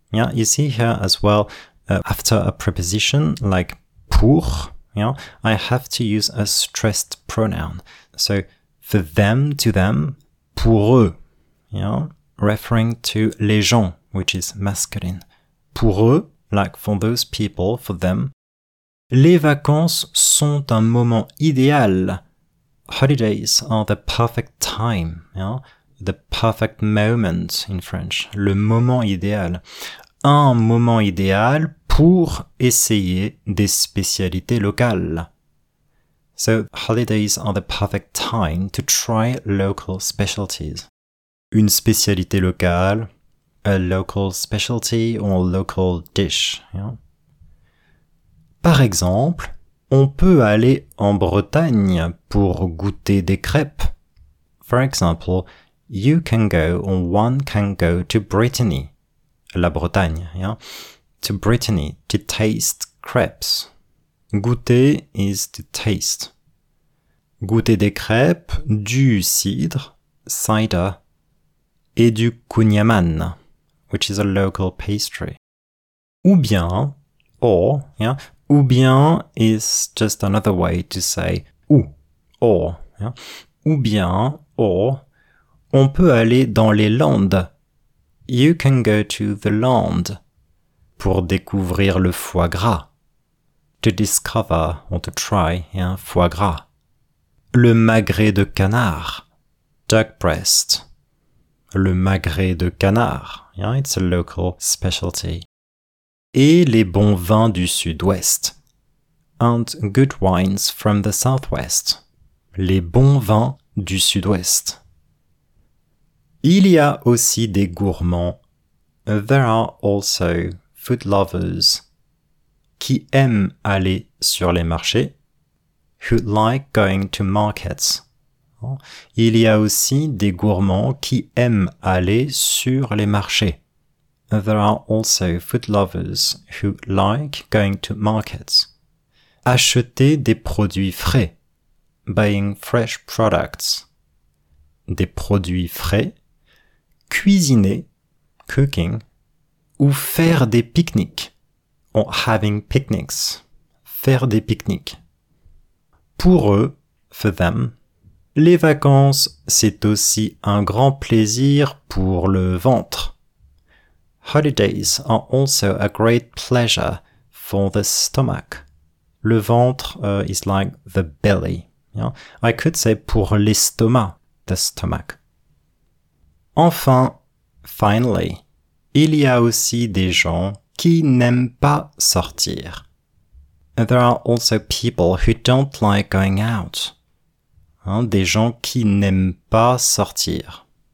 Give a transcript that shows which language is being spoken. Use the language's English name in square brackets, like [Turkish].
[English] Yeah, you see here as well, after a preposition like pour, yeah, I have to use a stressed pronoun. So for them, to them, pour eux, yeah, referring to les gens, which is masculine. [French] Pour eux, [English] like for those people, for them. [French] Les vacances sont un moment idéal. [English] Holidays are the perfect time, yeah? The perfect moment in French. [French] Le moment idéal. Un moment idéal pour essayer des spécialités locales. [English] So, holidays are the perfect time to try local specialties. [French] Une spécialité locale, [English] a local specialty or local dish. Yeah? [French] Par exemple, on peut aller en Bretagne pour goûter des crêpes. [English] For example, you can go or one can go to Brittany. La Bretagne, yeah? To Brittany, to taste crepes. Goûter is to taste. [French] Goûter des crêpes, du cidre, [English] cider, et du kunyaman, which is a local pastry. Ou bien, or, yeah? Ou bien is just another way to say ou, or, yeah? [French] Ou bien, or, on peut aller dans les Landes. [English] You can go to the land [French] pour découvrir le foie gras. [English] To discover or to try [French] un foie gras. Le magret de canard. [English] Duck breast. [French] Le magret de canard. [English] Yeah, it's a local specialty. [French] Et les bons vins du sud-ouest. [English] And good wines from the southwest. [French] Les bons vins du sud-ouest. Il y a aussi des gourmands, [English] there are also food lovers, [French] qui aiment aller sur les marchés, [English] who like going to markets. [French] Il y a aussi des gourmands qui aiment aller sur les marchés. [English] There are also food lovers who like going to markets. [French] Acheter des produits frais, [English] buying fresh products. [French] Des produits frais. Cuisiner, [English] cooking, [French] ou faire des pique-niques, [English] or having picnics, [French] faire des pique-niques. Pour eux, [English] for them, [French] les vacances, c'est aussi un grand plaisir pour le ventre. [English] Holidays are also a great pleasure for the stomach. Le ventre is like the belly. Yeah? I could say [French] pour l'estomac, [English] the stomach. [French] Enfin, [English] finally, [French] il y a aussi des gens qui n'aiment pas sortir. [English] There are also people who don't like going out. [French] Hein, des gens qui n'aiment pas sortir.